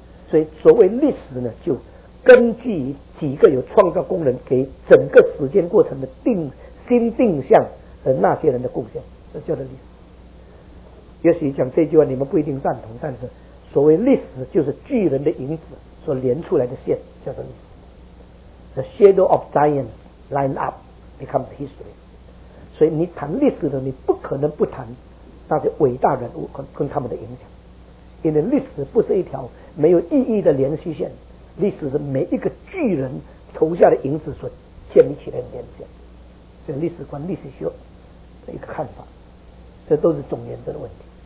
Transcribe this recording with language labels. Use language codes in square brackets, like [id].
[zh] 所以所谓历史呢，就根据几个有创造功能给整个时间过程的定新定向的那些人的贡献，这叫做历史。也许讲这句话你们不一定赞同，但是所谓历史就是巨人的影子所连出来的线，叫做历史。 [en] The shadow of giants line up becomes history。 [zh] 所以你谈历史的，你不可能不谈那些伟大人物跟他们的影响，因为历史不是一条没有意义的连续线，历史是每一个巨人投下的影子所建立起来的连线。所以历史观、历史学的一个看法，这都是总原则的问题。